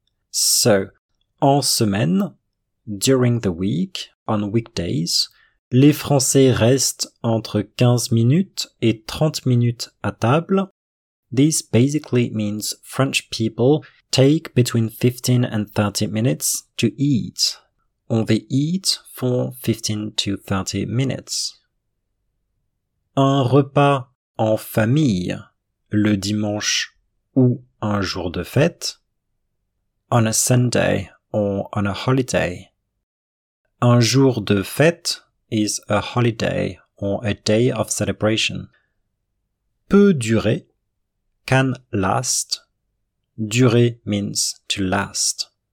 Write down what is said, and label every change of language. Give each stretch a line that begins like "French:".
French: So, en semaine,
English: during the week, on weekdays,
French: les Français restent entre 15 minutes et 30 minutes à table.
English: This basically means French people take between 15 and 30 minutes to eat. Or they eat for 15 to 30 minutes.
French: Un repas en famille, le dimanche ou un jour de fête.
English: On a Sunday or on a holiday.
French: Un jour de fête
English: is a holiday or a day of celebration.
French: Peut durer,
English: can last. Durer means to last.